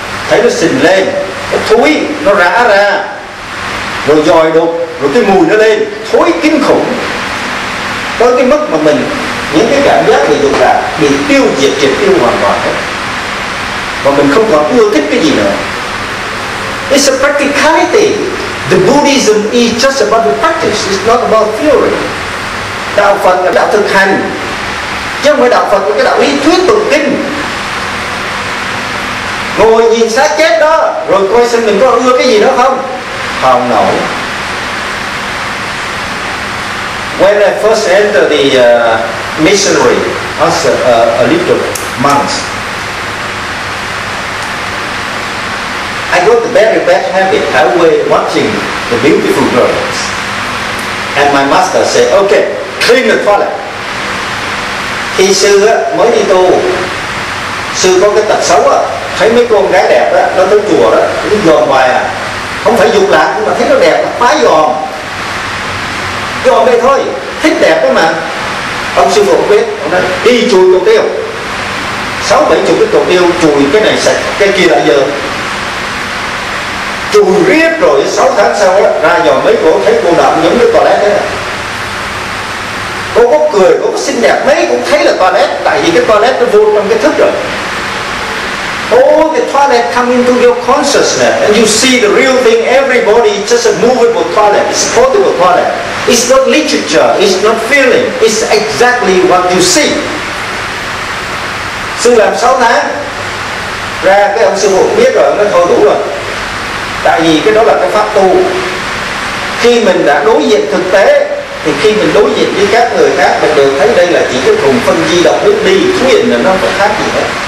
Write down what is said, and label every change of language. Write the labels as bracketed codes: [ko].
[vi] Thấy nó sình lên, nó thúi, nó rã ra. Rồi dòi đục, rồi cái mùi nó lên, thối kinh khủng. Tới cái mức mà mình, những cái cảm giác bị dục lạc, bị tiêu diệt, triệt tiêu hoàn toàn hết. Và mình không còn ưa thích cái gì nữa. [en] It's a practicality. The Buddhism is just about the practice, it's not about theory. [vi] Đạo Phật là đạo thực hành. Chứ không phải đạo Phật là cái đạo ý thuyết tụng kinh. Ngồi nhìn xác chết đó, rồi coi xem mình có ưa cái gì đó không? Không nổi. [en] When I first entered the missionary as a little monk, I got the very bad habit. I was watching the beautiful girls. And my master said, okay, clean the toilet. [vi] Khi sư mới đi tu, sư có cái tật xấu á, thấy mấy con gái đẹp á, nó tới chùa đó, nó dòm hoài à. Không phải dục lạc, nhưng mà thấy nó đẹp, nó phá dòm. Dòm đây thôi, thích đẹp đó mà. Ông sư phụ biết, ông nói, đi chùi cầu tiêu. 60-70 cái cầu tiêu, chùi cái này sạch, cái kia lại dơ. Chùi riết rồi, 6 tháng sau á, ra dòm mấy cô thấy cô đậm giống như toilet thế này. Cô có cười, cô có xinh đẹp mấy cũng thấy là toilet, tại vì cái toilet nó vô trong cái thức rồi. [en] All the toilet come into your consciousness and you see the real thing. Everybody is just a movable toilet, it's a portable toilet. It's not literature, it's not feeling, it's exactly what you see. [vi] Sư làm 6 tháng, ra cái ông sư phụ biết rồi, nó thôi đủ rồi. Tại vì cái đó là cái pháp tu. Khi mình đã đối diện thực tế, thì khi mình đối diện với các người khác, mình được thấy đây là chỉ cái thùng phân di động nước đi, xuống hình là nó không khác gì hết.